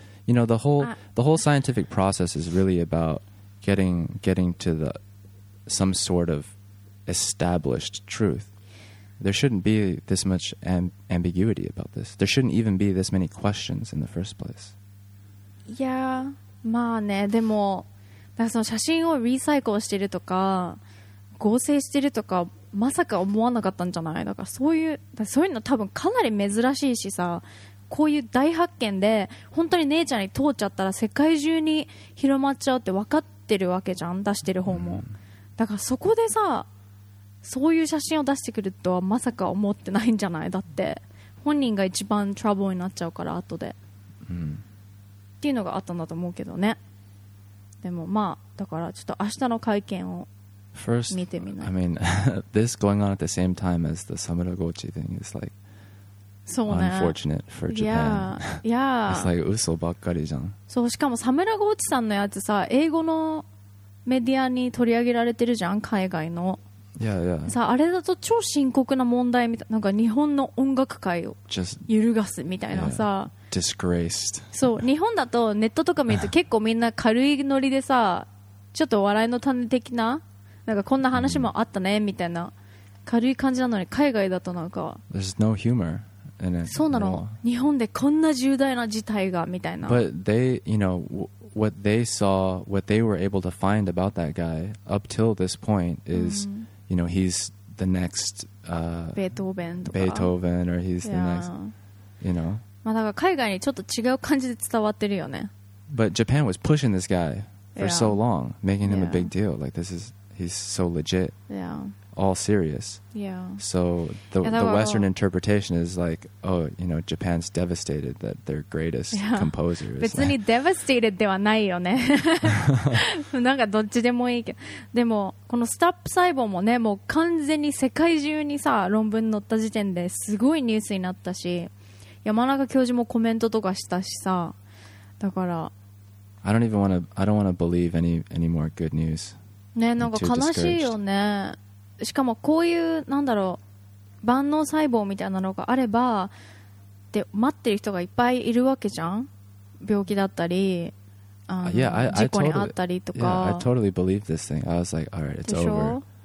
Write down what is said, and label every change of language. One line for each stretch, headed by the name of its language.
English: You know, the whole scientific process is really about getting to the some sort of established truth. There shouldn't be this much ambiguity about this. There shouldn't even be this many questions in the first place.
Japanese: Yeah, まあね、でも、だからその写真をリサイクルしてるとか、合成してるとか、まさか思わなかったんじゃない？だからそういうの多分かなり珍しいしさ、こういう大発見で本当に姉ちゃんに通っちゃったら世界中に広まっちゃうって分かってるわけじゃん、出してる方も。 Mm. だからそこでさ、そういう写真を出してくるとはまさか思ってないんじゃない？だって本人が一番トラブルになっちゃうから後で、うん、っていうのがあったんだと思うけどね。でもまあだからちょっと明日の会見を見てみない。
English: First, I mean, this going on at the same time as the Samuragochi thing is like、
Japanese: ね、
English: unfortunate for Japan. Yeah, yeah. It's like
Japanese: 嘘ばっかりじゃん。そう、しかもサムラゴーチさんのやつさ、英語のメディアに取り上げられてるじゃん、海外の。
English: Yeah, yeah.
Japanese: さあ、あれだと超深刻な問題みたいな、日本の音楽界を揺るがすみたいなさ、
English: Disgraced.
Japanese: そう、日本だとネットとか見ると結構みんな軽いノリでさ、ちょっと笑いの種的な、なんかこんな話もあったねみたいな軽い感じなのに、海外だとなんか
English: There's no humor in it.
Japanese: そうなの、日本でこんな重大な事態がみたいな。
English: But they, you know, what they saw, what they were able to find about that guy up till this point is、mm-hmm. You know, he's the next Beethoven, or he's the、 yeah. next, you know.
Japanese: まあだから海外にちょっと違う感じで伝わってるよね。
English: But Japan was pushing this guy for、yeah. so long, making him、yeah. a big deal. Like this is, he's so legit. Yeah. All serious. Yeah. So the Western interpretation is like, oh, you know, Japan's devastated that their greatest、yeah. composer is
Japanese: 別に devastated ではないよね。なんかどっちでもいいけど。でも、このスタップ細胞もね、もう完全に世界中にさ、論文載った時点ですごいニュースになったし、山中教授もコメントとかしたしさ、だから。
English: I don't wanna believe any more good news.
Japanese: ね、なんか悲しいよね。しかもこういうなんだろう、万能細胞みたいなのがあればって待ってる人がいっぱいいるわけじゃん。病気だったり、
English: yeah,
Japanese: 事故にあったりとか。
English: Yeah, I totally believe this thing. I was like, alright, it's over.